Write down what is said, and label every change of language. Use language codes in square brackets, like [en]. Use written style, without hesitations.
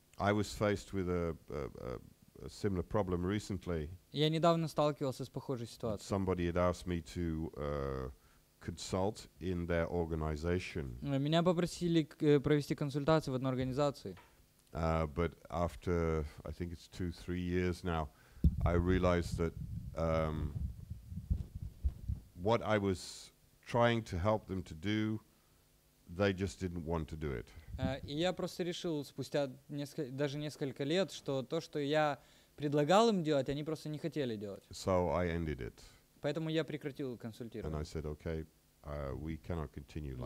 [en] I was faced with a similar problem recently. [ru] Я недавно сталкивался с похожей ситуацией. [en] Somebody had asked me to consult in their organization. [ru] Меня попросили провести консультацию в одной организации. [en] But after, I think it's 2-3 years now, I realized that what I was trying to help them to do, they just didn't want to do it. [ru] И я просто решил спустя несколько лет, что то, что я предлагал им делать, они просто не хотели делать. [en] So I ended it. [ru] Поэтому я прекратил консультировать. [en] And I said, okay, we cannot continue like